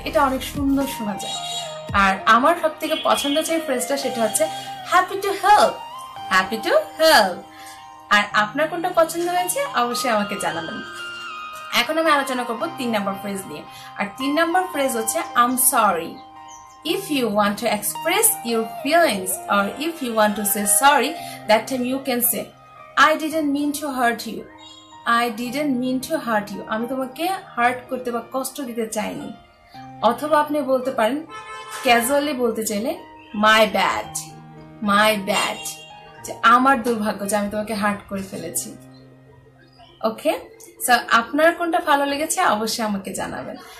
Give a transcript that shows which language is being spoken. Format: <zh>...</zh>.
<bn>এটা অনেক সুন্দর শোনা যায়. আর আমার সব থেকে পছন্দ যে ফ্রেজটা সেটা হচ্ছে</bn> <en>Happy to help, happy to help.</en> <bn>আর আপনার কোনটা পছন্দ হয়েছে অবশ্যই আমাকে জানাবেন. এখন আমি আলোচনা করবো তিন নম্বর ফ্রেজ নিয়ে. আর তিন নম্বর ফ্রেজ হচ্ছে</bn> <en>I'm sorry. If you want to express your feelings or if you want to say sorry, that time you can say, I didn't mean to hurt you. I didn't mean to hurt you.</en> <bn>আমি তোমাকে heart করতে বা কষ্ট দিতে চাইনি. অথবা আপনি বলতে পারেন ক্যাজুয়ালি বলতে চাইলে</bn> <en>my bad, my bad,</en> <bn>যে আমার দুর্ভাগ্য যে আমি তোমাকে হার্ট করে ফেলেছি. ওকে, সো আপনার কোনটা ভালো লেগেছে অবশ্যই আমাকে জানাবেন.</bn>